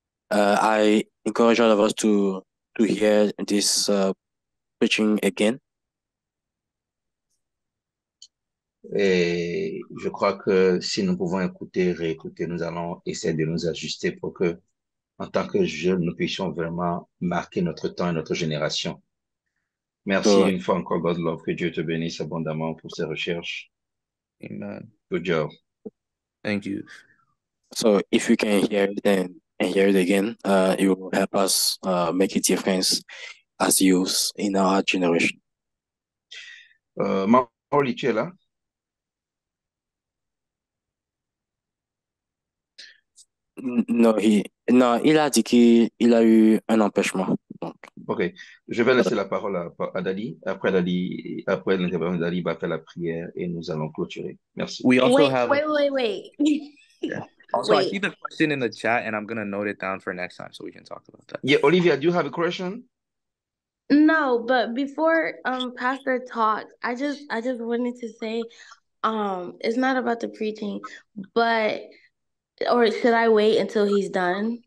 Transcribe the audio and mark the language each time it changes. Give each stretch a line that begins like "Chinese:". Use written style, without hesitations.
English: I encourage all of us to hear this preaching again.
French: Et je crois que si nous pouvons écouter, réécouter, nous allons essayer de nous ajuster pour que, en tant que jeunes, nous puissions vraiment marquer notre temps et notre génération. Merci so, une fois encore,
English: God Love,
French: que Dieu te bénisse abondamment pour ces recherches.
English: Amen. Good job. Thank you. So, if you can hear it then, and hear it again, it will help us make a difference as youth in our generation.
French: Mauli, tu es là? Non, il a dit qu'il a eu un empêchement. Donc. Ok, je vais laisser la parole à Dali. Après Dali, après l'intervention d'Ali, il va faire la prière et nous allons clôturer. Merci.
English: We also Wait, have. wait, Also, I see wait, the question in the chat, and I'm going to note it down for next time so we can talk about that. Yeah, Olivia, do you have a question? wait. No, but before Pastor talks, I just wanted to say, it's not about the preaching, but or should I wait until he's done?